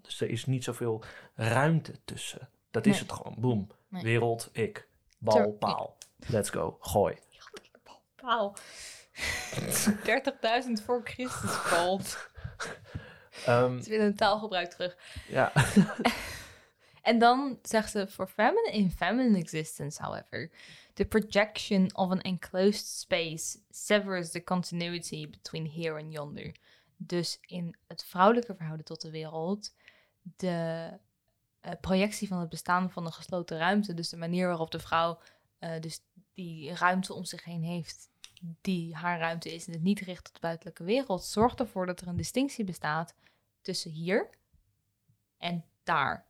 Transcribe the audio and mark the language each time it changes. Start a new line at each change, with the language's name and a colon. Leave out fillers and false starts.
Dutch: Dus er is niet zoveel ruimte tussen. Dat is het gewoon. Boom. Nee. Wereld, ik. Bal, paal.
English: Let's go.
Dutch: Gooi. Paal. 30.000 voor Christus valt. Ze willen een taalgebruik terug. Ja. En dan zegt ze,
English: in feminine existence, however, the projection of an enclosed space severs the continuity between here and yonder.
Dutch: Dus in het vrouwelijke verhouden tot de wereld, de projectie van het bestaan van een gesloten ruimte, dus de manier waarop de vrouw dus die ruimte om zich heen heeft, die haar ruimte is en het niet richt op de buitenlijke wereld, zorgt ervoor dat er een distinctie bestaat tussen hier en daar.